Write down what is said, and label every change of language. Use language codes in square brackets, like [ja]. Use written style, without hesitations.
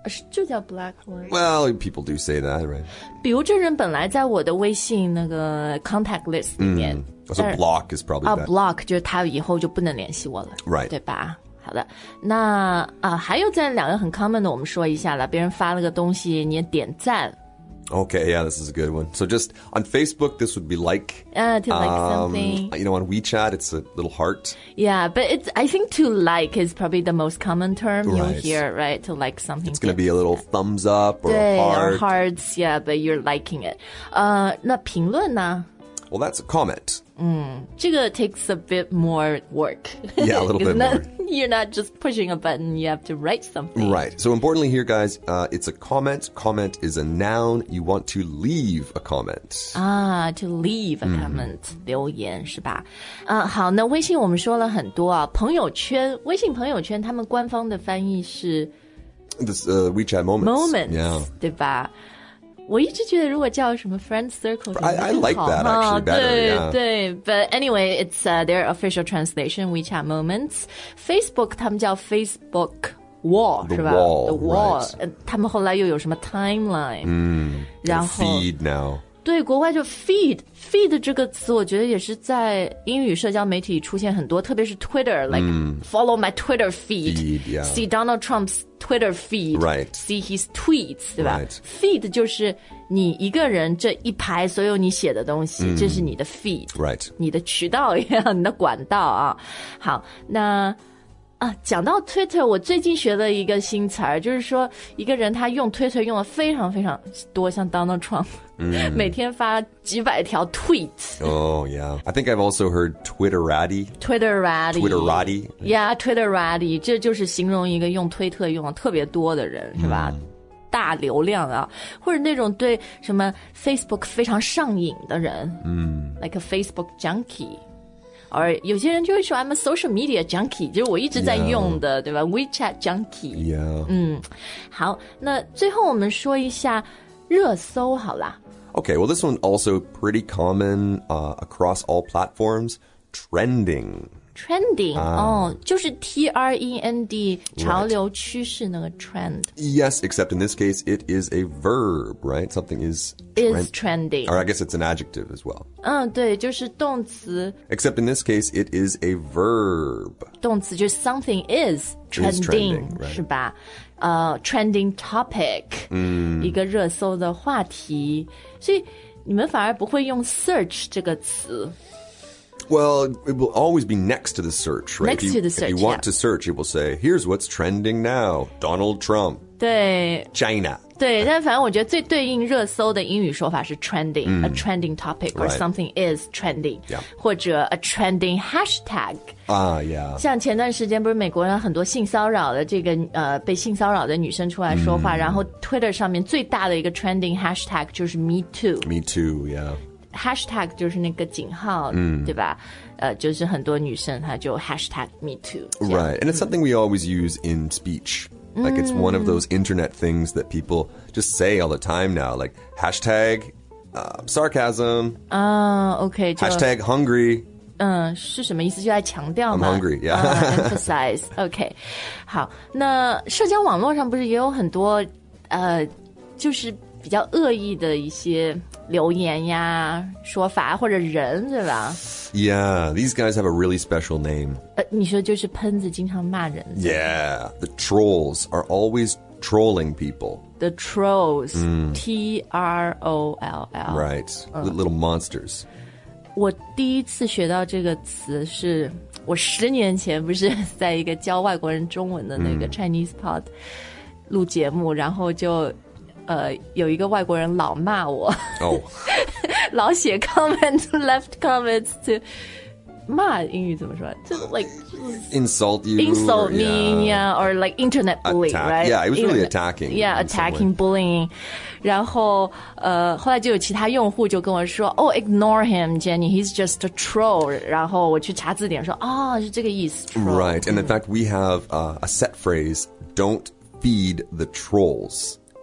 [zh] 就叫 blacklist. [en] Well, people do say that, right? [zh] 比如这人本来在我的微信那个 contact list 里面。 [en] So block is probably bad. [zh] Block 就是他以后就不能联系我了。 [en] Right. [zh] 对吧？好的，那还有在两个很 common 的，我们说一下了。别人发了个东西，你点赞。 [en] Okay, yeah, this is a good one. So just on Facebook, this would be like... To like something. You know, on WeChat, it's a little heart. Yeah, but it's, I think to like is probably the most common term you'll hear, right? To like something. It's going to be a little thumbs up or a heart. Or hearts, yeah, but you're liking it. [zh] 那评论呢? [en] Well, that's a comment. [zh] 这个 [en] takes a bit more work. Yeah, a little bit more. You're not just pushing a button, you have to write something. Right. So importantly here, guys, it's a comment. Comment is a noun. You want to leave a comment. To leave a comment. [zh] 留言是吧？好，那微信我们说了很多啊，朋友圈，微信朋友圈他们官方的翻译是 [en] This, WeChat Moments. Moments, yeah. [zh] 对吧？我一直觉得如果叫什么 friend circle 就更好 [en] I like that actually better, [zh] 对、 [en] yeah. 对 But anyway, it's their official translation, WeChat Moments. [zh] Facebook, 他们叫 Facebook Wall, [en] the [zh] 是吧 [en] wall, The Wall,、 right. [zh] 他们后来又有什么 timeline、然后 [en] Feed now. [zh] 对国外就 feed, feed 这个词我觉得也是在英语社交媒体出现很多特别是 Twitter, [en] like、follow my Twitter feed, feed、yeah. see Donald Trump'sTwitter feed, right? See his tweets, [zh] 对吧 [en] right? [zh] Feed 就是你一个人这一排所有你写的东西，这是你的 feed, [en] right? [zh] 你的渠道一样，你的管道啊。好，那啊，讲到 Twitter, 我最近学了一个新词儿，就是说一个人他用 Twitter 用了非常非常多，像 Donald Trump, 每天发几百条 tweet. [en] Oh yeah, I think I've also heard Twitterati. Twitterati. Twitterati. Yeah, Twitterati. [zh] 这就是形容一个用推特用了特别多的人，是吧？大流量啊，或者那种对什么 Facebook 非常上瘾的人， [en] like a Facebook junkie. [zh] Or 有些人就会说 [en] I'm a social media junkie, [zh] 就是我一直在用的、 [en] yeah. [zh] 对吧 WeChat junkie、 [en] yeah. [zh] 好那最后我们说一下热搜好啦 [en] Okay, well this one also pretty common、across all platforms Trending [zh] Trending、就是 T-R-E-N-D 潮流趋势那个 trend、 [en] right. Yes, except in this case it is a verb, right? Something is Is trending Or I guess it's an adjective as well [zh] 对就是动词 [en] Except in this case it is a verb [zh] 动词就是 [en] something is trending, is trending、right. [zh] 是吧、Trending topic、一个热搜的话题所以你们反而不会用 search 这个词 [en] Well, it will always be next to the search, right? Next to the search, If you want、 yeah. to search, it will say, here's what's trending now, Donald Trump. [zh] 对 [en] China. [zh] 对但反正我觉得最对应热搜的英语说法是 trending,、 [en] a trending topic, or、 right. something is trending,、 yeah. [zh] 或者 [en] a trending hashtag. Yeah. [zh] 像前段时间不是美国人很多性骚扰的这个、被性骚扰的女生出来说话、然后 Twitter 上面最大的一个 trending hashtag 就是 Me Too. [en] Me Too, yeah. [zh] Hashtag 就是那个警号、对吧、就是很多女生她就 [en] Hashtag me too Right, and it's something we always use in speech、Like it's one of those internet things that people just say all the time now Like hashtag、sarcasm、 okay, Hashtag hungry、 [zh] 是什么意思就在强调吗 [en] I'm hungry, yeah、 Emphasize, okay [zh] 好那社交网络上不是也有很多、就是比较恶意的一些留言呀说法或者人对吧 [en] Yeah, these guys have a really special name、 [zh] 你说就是喷子经常骂人 [en] Yeah, the trolls are always trolling people The trolls、T-R-O-L-L Right,、little monsters [zh] 我第一次学到这个词是我十年前不是在一个教外国人中文的那个 Chinese Pod 录节目然后就有一个外国人老骂我、老写 comments [en] left comments to [zh] 骂英语怎么说 [en] to like insult you insult me yeah. yeah or like internet bullying Attack, right yeah it was really attacking yeah attacking bullying [zh] 然后后来就有其他用户就跟我说 [en] oh ignore him Jenny he's just a troll [zh] 然后我去查字典说哦、是这个意思 [en] troll, right and in fact we have、a set phrase don't feed the trolls